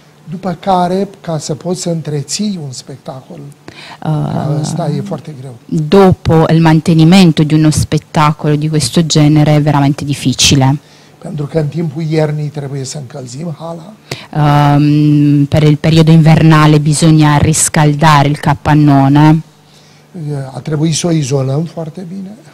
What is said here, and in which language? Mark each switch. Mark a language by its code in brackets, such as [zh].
[ro] După care, ca să poți să întreții un spectacol, asta e foarte greu. [it] Dopo il mantenimento di uno spettacolo di questo genere è veramente difficile. [ro] Pentru că în timpul iernii trebuie să încălzim hala. [it] Per il periodo invernale bisogna riscaldare il capannone. [ro] A trebuit să o izolăm foarte bine.